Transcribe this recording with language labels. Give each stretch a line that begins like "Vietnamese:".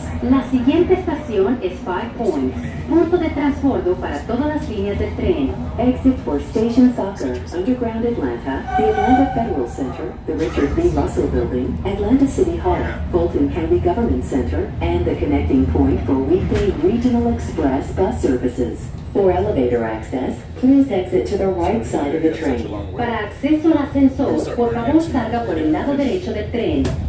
Spanish: La siguiente estación es Five Points, punto de transbordo para todas las líneas del tren.
English: Exit for Station Soccer, Underground Atlanta, the Atlanta Federal Center, the Richard B. Russell Building, Atlanta City Hall, Fulton County Government Center, and the connecting point for weekly regional express bus services. For elevator access, please exit to the right side of the train.
Spanish: Para acceso al ascensor, por favor salga por el lado derecho del tren.